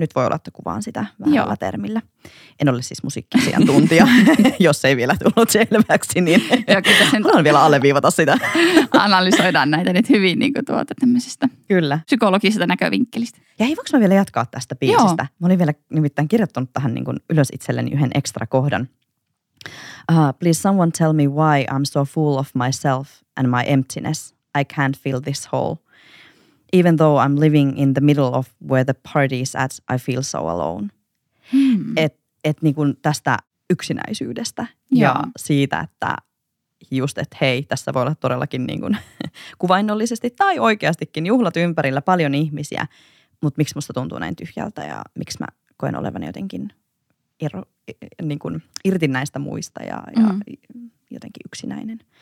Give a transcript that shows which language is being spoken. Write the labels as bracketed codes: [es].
[fi] Nyt voi olla, että kuvaan sitä vähällä termillä. En ole siis musiikkiasiantuntija, jos ei vielä tullut selväksi, niin haluan vielä alleviivata sitä. Analysoidaan näitä nyt hyvin niin kuin tuota tämmöisestä psykologisesta näkövinkkelistä. Ja hei, voinko mä vielä jatkaa tästä biisistä? Joo. Mä olin vielä nimittäin kirjoittanut tähän niin kuin ylös itselleni yhden ekstra kohdan. [en] Please someone tell me why I'm so full of myself and my emptiness. I can't fill this hole. Even though I'm living in the middle of where the party is at, I feel so alone. [fi] Et niin kuin tästä yksinäisyydestä ja siitä, että just, että hei, tässä voi olla todellakin niin kuin kuvainnollisesti tai oikeastikin juhlat ympärillä paljon ihmisiä, mutta miksi musta tuntuu näin tyhjältä ja miksi mä koen olevan jotenkin niin kuin irti näistä muista ja jotenkin yksinäinen.